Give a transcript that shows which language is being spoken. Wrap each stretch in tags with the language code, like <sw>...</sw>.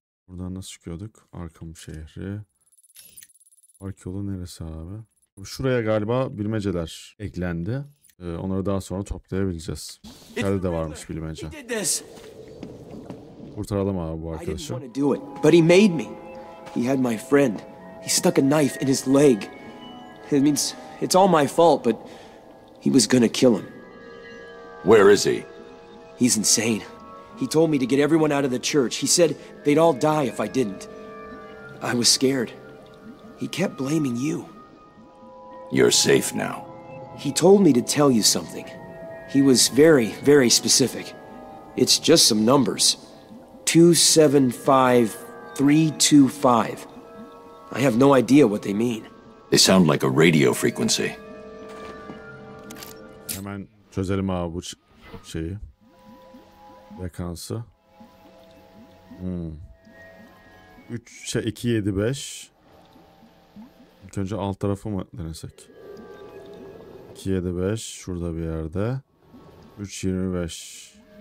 <tr>Buradan nasıl çıkıyorduk? Arkham şehri. Park yolu neresi abi? Şuraya galiba bilmeceler eklendi. Onları daha sonra toplayabileceğiz. Nerede de varmış bilmece. Kurtaralım abi bu arkadaşı.</tr> <en>I didn't want to do it, but he made me. He had my friend. He stuck a knife in his leg. It means it's all my fault, but he was gonna kill him. Where is he? He's insane. He told me to get everyone out of the church. He said they'd all die if I didn't. I was scared. He kept blaming you. You're safe now. He told me to tell you something. He was very, very specific. It's just some numbers. 275325. I have no idea what they mean. They sound like a radio frequency.</en> <tr>Hemen çözelim abi bu şeyi. Frekansı. 3275. İlk önce alt tarafı mı denesek? 275 şurada bir yerde. 325.</tr>